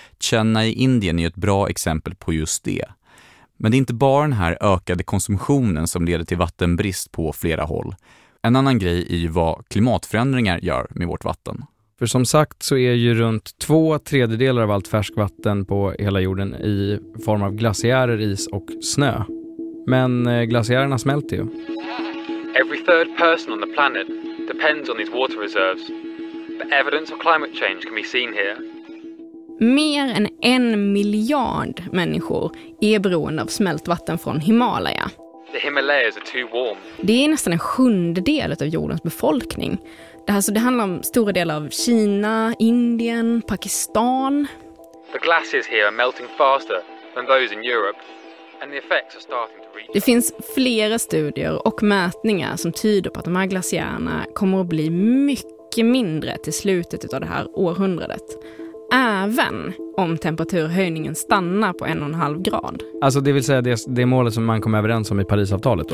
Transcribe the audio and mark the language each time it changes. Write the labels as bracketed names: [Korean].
[Swedish] Chennai i Indien är ett bra exempel på just det. Men det är inte bara den här ökade konsumtionen som leder till vattenbrist på flera håll. En annan grej är ju vad klimatförändringar gör med vårt vatten. För som sagt så är ju runt 2/3 av allt färskvatten på hela jorden i form av glaciärer, is och snö. Men glaciärerna smälter ju. [English] Every third person on the planet depends on these water reserves. But evidence of climate change can be seen here. [Swedish] Mer än 1 miljard människor är beroende av smältvatten från Himalaya. [English] The Himalayas are too warm. [Swedish] Det är nästan en sjundedel av jordens befolkning. Det handlar om stora delar av Kina, Indien, Pakistan. [English] The glaciers here are melting faster than those in Europe. And the effects are starting. [Swedish] Det finns flera studier och mätningar som tyder på att de här glaciärerna kommer att bli mycket mindre till slutet av det här århundradet. Även om temperaturhöjningen stannar på 1,5 grader. Alltså det vill säga det målet som man kom överens om i Parisavtalet då?